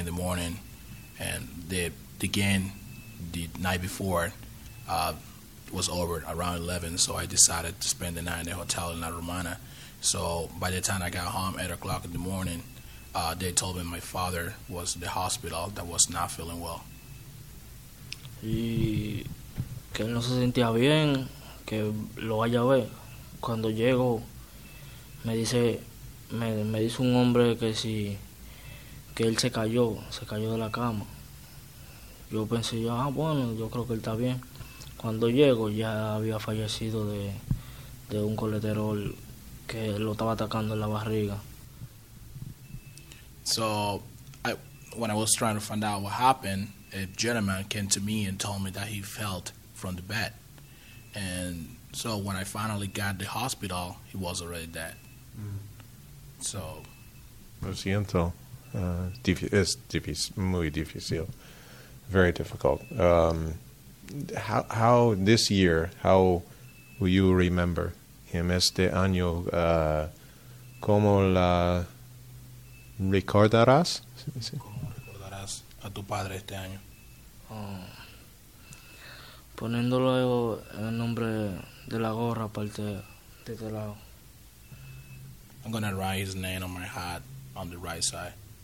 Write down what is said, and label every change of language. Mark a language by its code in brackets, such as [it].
[en] in the morning, and the game the night before was over around 11, so I decided to spend the night in the hotel in La Romana. So by the time I got home, 8 o'clock in the morning, they told me my father was in the hospital that was not feeling well. [es] Y que él no se sentía bien, que lo vaya a ver. Cuando llego, me dice... Me dice un hombre que si que él se cayó de la cama. Yo pensé, ah, bueno, yo creo que él está bien. Cuando llego, ya había fallecido de un colesterol que lo estaba atacando en la barriga. [en] So, when I was trying to find out what happened, a gentleman came to me and told me that he fell from the bed. And so, when I finally got to the hospital, he was already dead. So, [es] lo siento, es muy difícil, [en] very difficult. How this year? How will you remember him [es] este año? ¿Cómo la recordarás? ¿Cómo recordarás a tu padre este año? Poniéndolo en nombre de la gorra aparte de este lado. [en] I'm going to write his name on my hat on the right side.